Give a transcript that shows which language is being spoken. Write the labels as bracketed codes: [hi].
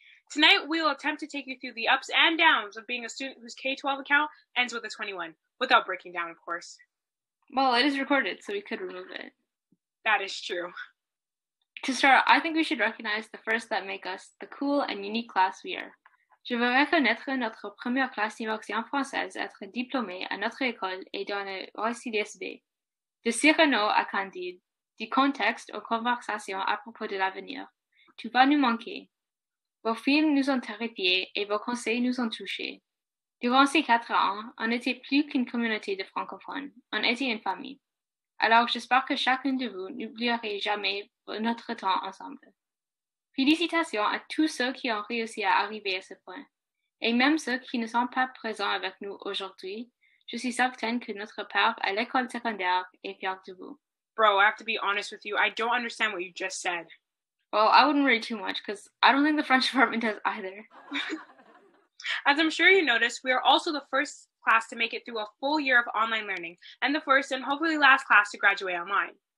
[en] Tonight, we will attempt to take you through the ups and downs of being a student whose K-12 account ends with a 21, without breaking down, of course. Well, it is recorded, so we could remove it. That is true. To start, I think we should recognize the first that make us the cool and unique class we are. [fr] Je veux reconnaître notre première classe d'immersion française être diplômée à notre école et dans le récit d'SB. De Cyrano à Candide, du contexte aux conversations à propos de l'avenir, tu vas nous manquer. Vos films nous ont terrifiés et vos conseils nous ont touchés. Durant ces 4 ans, on était plus qu'une communauté de francophones, on était une famille. Alors j'espère que chacun de vous n'oublierait jamais notre temps ensemble. Félicitations à tous ceux qui ont réussi à arriver à ce point. Et même ceux qui ne sont pas présents avec nous aujourd'hui, je suis certaine que notre père à l'école secondaire est fier de vous. [en] Bro, I have to be honest with you, I don't understand what you just said. Well, I wouldn't worry too much, because I don't think the French department does either. As I'm sure you noticed, we are also the first class to make it through a full year of online learning, and the first and hopefully last class to graduate online.